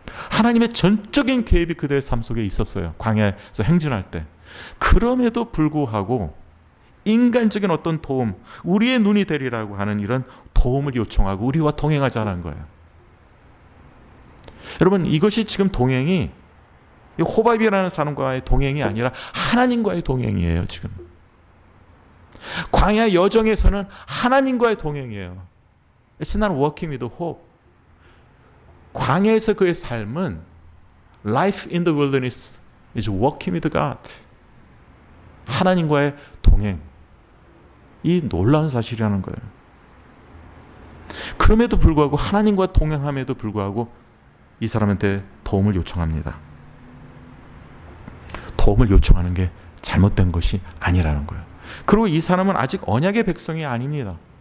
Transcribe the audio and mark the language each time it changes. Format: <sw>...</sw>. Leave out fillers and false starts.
<ko>하나님의 전적인 개입이 그들의 삶 속에 있었어요. 광야에서 행진할 때 그럼에도 불구하고 인간적인 어떤 도움 우리의 눈이 되리라고 하는 이런 도움을 요청하고 우리와 동행하자는 거예요. 여러분 이것이 지금 동행이 호밥이라는 사람과의 동행이 아니라 하나님과의 동행이에요. 지금 광야 여정에서는 하나님과의 동행이에요.</ko> <en>It's not walking with hope.</en> <ko>광야에서 그의 삶은</ko> <en>Life in the wilderness is walking with God.</en> <ko>하나님과의 동행. 이 놀라운 사실이라는 거예요. 그럼에도 불구하고 하나님과 동행함에도 불구하고 이 사람한테 도움을 요청합니다. 도움을 요청하는 게 잘못된 것이 아니라는 거예요. 그리고 이 사람은 아직 언약의 백성이 아닙니다.</ko>